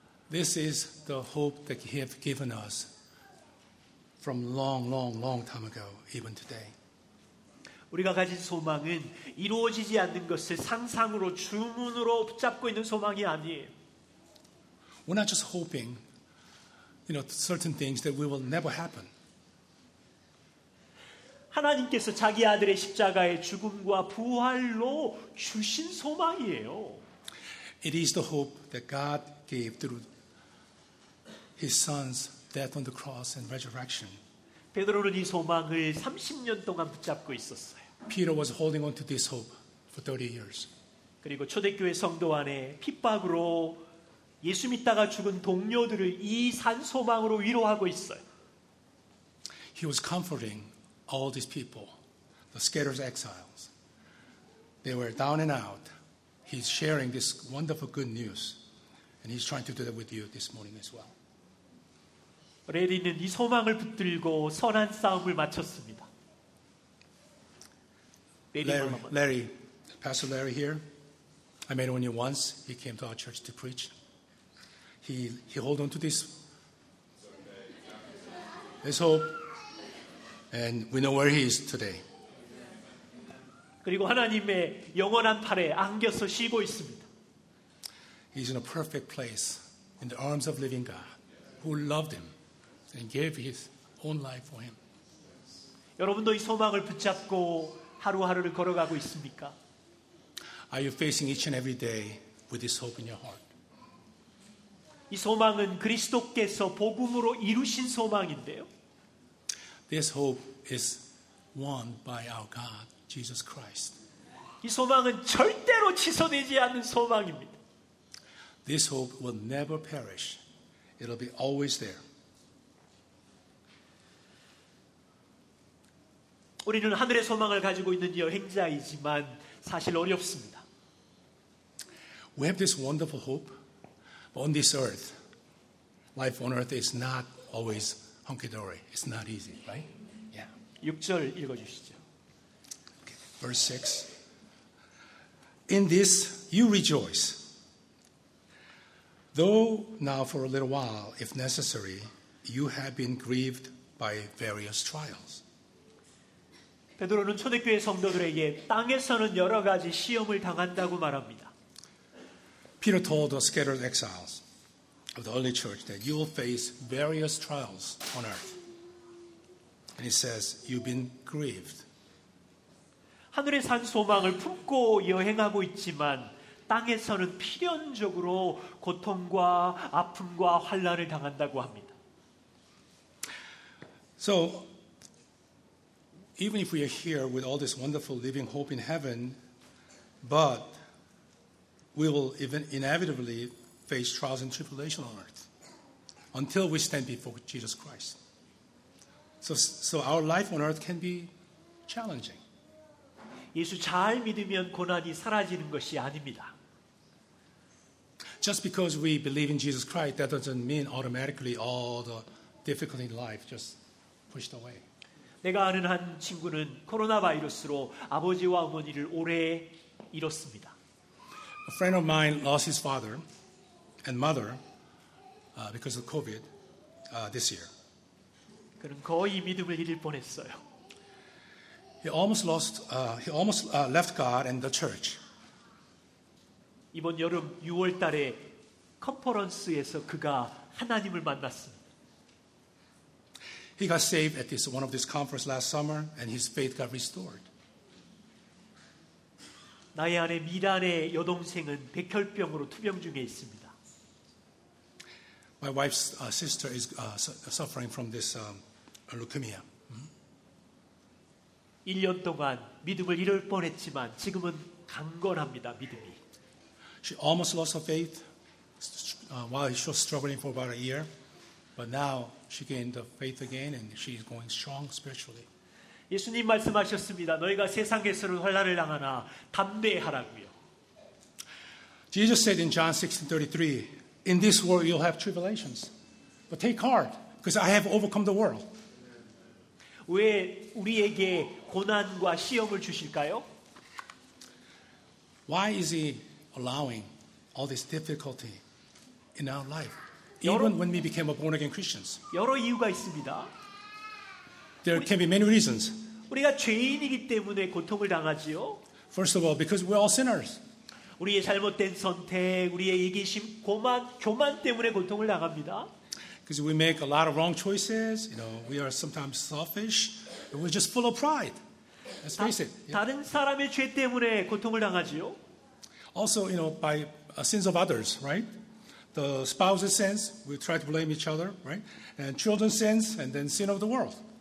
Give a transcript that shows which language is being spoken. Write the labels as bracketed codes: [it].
[en] This is the hope that He has given us from long, long, long time ago, even today. [ko] 우리가 가진 소망은 이루어지지 않는 것을 상상으로 주문으로 붙잡고 있는 소망이 아니에요. [en] We're not just hoping, you know, certain things that we will never happen. [ko] 하나님께서 자기 아들의 십자가의 죽음과 부활로 주신 소망이에요. [en] It is the hope that God gave through His Son's death on the cross and resurrection. [ko] 베드로는 이 소망을 30년 동안 붙잡고 있었어요. [en] Peter was holding on to this hope for 30 years. [ko] 그리고 초대교회 성도 안에 핍박으로 예수 믿다가 죽은 동료들을 이 산 소망으로 위로하고 있어요. [en] He was comforting all these people, the scattered exiles. They were down and out. He's sharing this wonderful good news, and he's trying to do that with you this morning as well. [ko] 레디는 이 소망을 붙들고 선한 싸움을 마쳤습니다. [en] Larry, Pastor Larry here. I met only once. He came to our church to preach. He hold on to this hope, and we know where he is today. [ko] 그리고 하나님의 영원한 팔에 안겨서 쉬고 있습니다. [en] He's in a perfect place in the arms of living God, who loved him and gave his own life for him. [ko] 여러분도 이 소망을 붙잡고 하루하루를 걸어가고 있습니까? [en] Are you facing each and every day with this hope in your heart? [ko] 이 소망은 그리스도께서 복음으로 이루신 소망인데요. [en] This hope is won by our God, Jesus Christ. [ko] 이 소망은 절대로 취소되지 않는 소망입니다. [en] This hope will never perish. It'll be always there. [ko] 우리는 하늘의 소망을 가지고 있는 여행자이지만 사실 어렵습니다. [en] We have this wonderful hope on this earth. Life on earth is not always hunky-dory. It's not easy, right? [ko] Yeah. 6절 읽어주시죠. [en] Verse 6. In this you rejoice, though now for a little while, if necessary, you have been grieved by various trials. [ko] 베드로는 초대교회 성도들에게 땅에서는 여러 가지 시험을 당한다고 말합니다. [en] Peter told the scattered exiles of the early church that you will face various trials on earth. And he says, you've been grieved. [ko] 하늘에 산 소망을 품고 여행하고 있지만 땅에서는 필연적으로 고통과 아픔과 환난을 당한다고 합니다. [en] So, even if we are here with all this wonderful living hope in heaven, but we will even inevitably face trials and tribulation on earth until we stand before Jesus Christ. So our life on earth can be challenging. [ko] 예수 잘 믿으면 고난이 사라지는 것이 아닙니다. [en] Just because we believe in Jesus Christ, that doesn't mean automatically all the difficulty in life just pushed away. [ko] 내가 아는 한 친구는 코로나 바이러스로 아버지와 어머니를 올해 잃었습니다. [en] A friend of mine lost his father and mother because of COVID this year. [ko] 그는 거의 믿음을 잃을 뻔했어요. [en] He almost left God and the church. [ko] 이번 여름 6월 달에 컨퍼런스에서 그가 하나님을 만났습니다. [en] He got saved at this one of these conferences last summer, and his faith got restored. [ko] 나의 아내 미란의 여동생은 백혈병으로 투병 중에 있습니다. [en] My wife's sister is suffering from this leukemia. [ko] 1년 동안 믿음을 잃을 뻔했지만 지금은 강건합니다, 믿음이. [en] She almost lost her faith while she was struggling for about a year. But now she gained the faith again and she is going strong spiritually. [ko] 예수님 말씀하셨습니다. 너희가 세상에서는 환난을 당하나 담대하라고요. [en] Jesus said in John 16:33, in this world you'll have tribulations. But take heart, because I have overcome the world. [ko] 왜 우리에게 고난과 시험을 주실까요? [en] Why is he allowing all this difficulty in our life? Even when we became a born again Christians. [ko] 여러 이유가 있습니다. [en] There can be many reasons. [ko] 우리가 죄인이기 때문에 고통을 당하지요. [en] First of all, because we're all sinners. [ko] 우리의 잘못된 선택, 우리의 이기심, 교만 때문에 고통을 당합니다. [en] Because we make a lot of wrong choices, you know, we are sometimes selfish, we're just full of pride. Let's face it. [ko] 다른 사람의 죄 때문에 고통을 당하지요. [en] Also, you know, by sins of others, right? The spouse's sins, we try to blame each other, right? And children's sins, and then sin of the world.